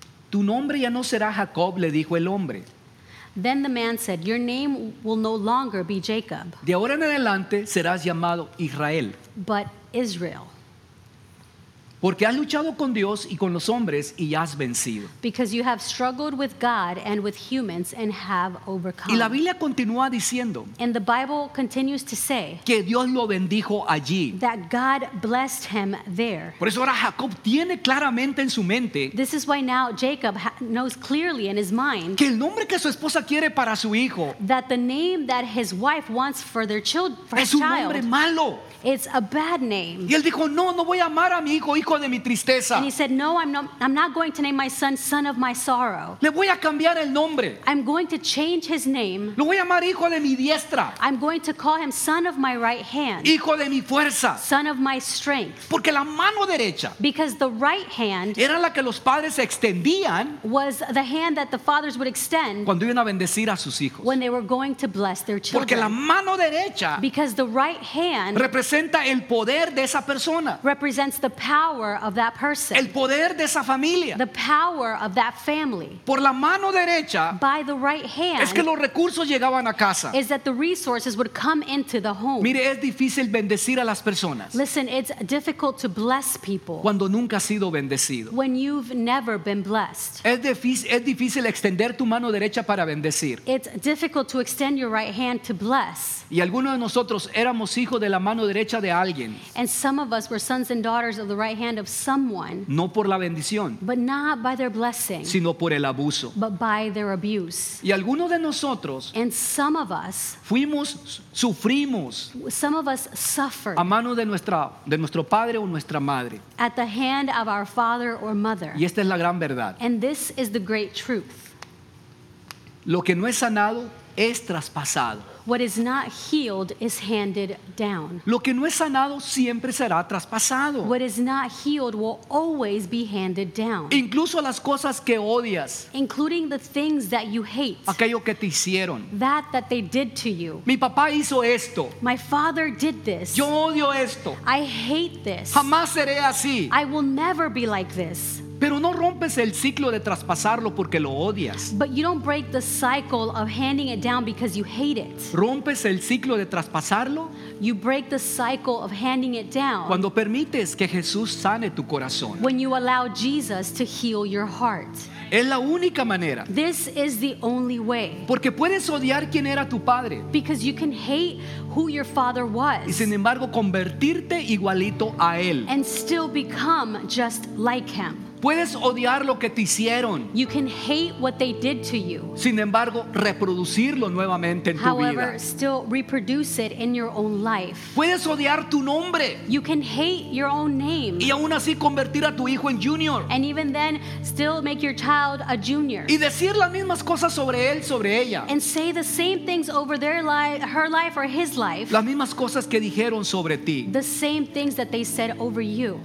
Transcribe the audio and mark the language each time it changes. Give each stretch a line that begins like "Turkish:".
Spanish: Tu nombre ya no será Jacob, le dijo el hombre.
English: Then the man said, your name will no longer be Jacob.
Spanish: De ahora en adelante serás llamado Israel.
English: But Israel.
Spanish: Porque has luchado con Dios y con los hombres y has vencido.
English: Because you have struggled with God and with humans and have overcome.
Spanish: Y la Biblia continúa diciendo,
English: and the Bible continues to say,
Spanish: que Dios lo bendijo allí.
English: That God blessed him there.
Spanish: Por eso ahora Jacob tiene claramente en su mente,
English: this is why now Jacob knows clearly in his mind,
Spanish: que el nombre que su esposa quiere para su hijo,
English: that the name that his wife wants for their child, for
Spanish: es un nombre malo.
English: It's a bad name.
Spanish: Y él dijo, no, no voy a amar a mi hijo, hijo de mi tristeza.
English: And he said, no, I'm not going to name my son, son of my sorrow.
Spanish: Le voy a cambiar el nombre.
English: I'm going to change his name.
Spanish: Lo voy a llamar hijo de mi diestra.
English: I'm going to call him son of my right hand.
Spanish: Hijo de mi fuerza.
English: Son of my strength.
Spanish: Porque la mano derecha,
English: because the right hand,
Spanish: era la que los padres extendían,
English: was the hand that the fathers would extend,
Spanish: cuando iban a bendecir a sus hijos,
English: when they were going to bless their children.
Spanish: Porque la mano derecha,
English: because the right hand,
Spanish: representa el poder de esa persona,
English: represents the power of that person,
Spanish: el poder de esa familia,
English: the power of that family.
Spanish: Por la mano derecha,
English: by the right hand,
Spanish: es que los recursos llegaban a casa,
English: is that the resources would come into the home.
Spanish: Mire, es difícil bendecir a las personas,
English: listen, it's difficult to bless people,
Spanish: cuando nunca has sido bendecido,
English: when you've never been blessed.
Spanish: Es difícil extender tu mano derecha para bendecir,
English: it's difficult to extend your right hand to bless.
Spanish: Y algunos de nosotros éramos hijos de la mano derecha de alguien,
English: and some of us were sons and daughters of the right hand of someone,
Spanish: no por la bendición,
English: but not by their blessing,
Spanish: sino por el abuso,
English: but by their abuse.
Spanish: Y algunos de nosotros,
English: and some of us,
Spanish: sufrimos,
English: some of us suffered,
Spanish: a mano de nuestro padre o nuestra madre,
English: at the hand of our father or mother.
Spanish: Y esta es la gran verdad,
English: and this is the great truth.
Spanish: Lo que no es sanado es traspasado.
English: What is not healed is handed down.
Spanish: Lo que no es sanado siempre será traspasado.
English: What is not healed will always be handed down.
Spanish: Incluso las cosas que odias.
English: Including the things that you hate.
Spanish: Aquello que te hicieron.
English: That they did to you.
Spanish: Mi papá hizo esto.
English: My father did this.
Spanish: Yo odio esto.
English: I hate this.
Spanish: Jamás seré así.
English: I will never be like this.
Spanish: Pero no rompes el ciclo de traspasarlo porque lo odias.
English: But you don't break the cycle of handing it down because you hate it.
Spanish: Rompes el ciclo de traspasarlo.
English: You break the cycle of handing it down.
Spanish: Cuando permites que Jesús sane tu corazón.
English: When you allow Jesus to heal your heart.
Spanish: Es la única manera.
English: This is the only way.
Spanish: Porque puedes odiar quién era tu padre.
English: Because you can hate who your father was.
Spanish: Y sin embargo convertirte igualito a él.
English: And still become just like him.
Spanish: Puedes odiar lo que te hicieron.
English: You can hate what they did to you.
Spanish: Sin embargo, reproducirlo nuevamente en
English: However,
Spanish: tu vida.
English: However, still reproduce it in your own life.
Spanish: Puedes odiar tu nombre.
English: You can hate your own name.
Spanish: Y aún así convertir a tu hijo en junior.
English: And even then, still make your child a junior.
Spanish: Y decir las mismas cosas sobre él, sobre ella.
English: And say the same things over their life, her life or his life.
Spanish: Las mismas cosas que dijeron sobre ti.
English: The same things that they said over you.